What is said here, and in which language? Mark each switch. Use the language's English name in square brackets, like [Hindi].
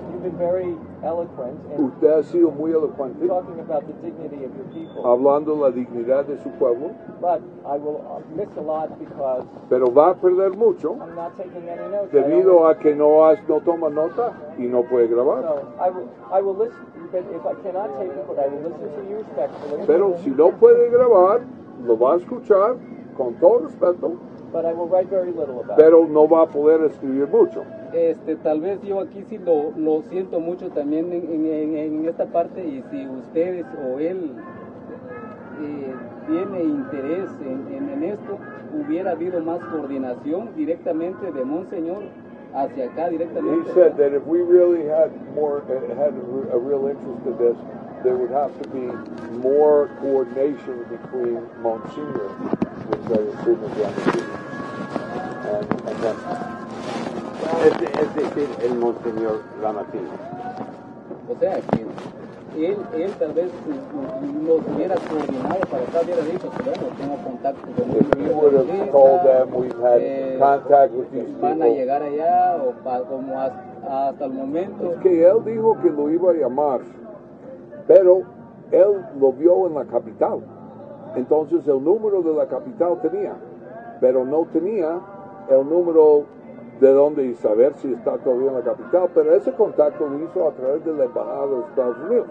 [English] You've been very eloquent. [Spanish] Usted ha sido muy elocuente. [English] Talking about the dignity of your people. [Spanish] Hablando la dignidad de su pueblo. [English] But I will miss a lot because. [Spanish] Pero va a perder mucho. [English] I'm not taking any notes. [Spanish] Debido a que no toma nota y no puede grabar. [English] So I will listen. But if I cannot take it, I will listen to you respectfully. [Spanish] Pero si no puede grabar, lo va a escuchar con todo respeto. [English] But I will write very little about it. [Spanish] Pero no va a poder escribir mucho. Tal vez yo aquí sí lo siento mucho también en esta parte, y si ustedes o él tiene interés en esto, hubiera habido más coordinación directamente de Monseñor hacia acá directamente. [English] He said that if we really had a real interest in this, there would have to be more coordination between Monseñor, which I assume is what he did, and then. [Spanish] Es decir, el Monseñor Lamartine. O sea, él tal vez nos hubiera coordinado para estar, hubiera dicho, bueno, tengo contacto con él. [English] If we would have told them we've had contact with these people. [Spanish] Van a llegar allá, o como hasta el momento. Es que él dijo que lo iba a llamar, pero él lo vio en la capital. Entonces el número de la capital tenía, pero no tenía el número de dónde y saber si está todavía en la capital, pero ese contacto lo hizo a través de la Embajada de Estados Unidos.